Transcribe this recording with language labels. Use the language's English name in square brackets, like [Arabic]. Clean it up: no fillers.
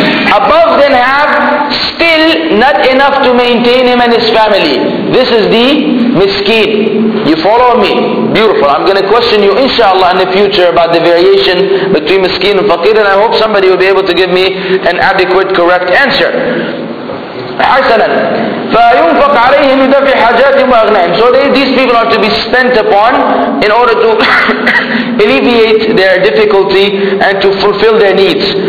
[English] Above than half, still not enough to maintain him and his family. This is the miskin. You follow me? Beautiful. I'm going to question you, inshallah, in the future about the variation between miskin and faqir, and I hope somebody will be able to give me an adequate, correct answer. [Arabic] حسنًا فينفق عليهم لدفع حاجاتهم وأغنائهم. [English] So these people are to be spent upon in order to alleviate their difficulty and to fulfill their needs.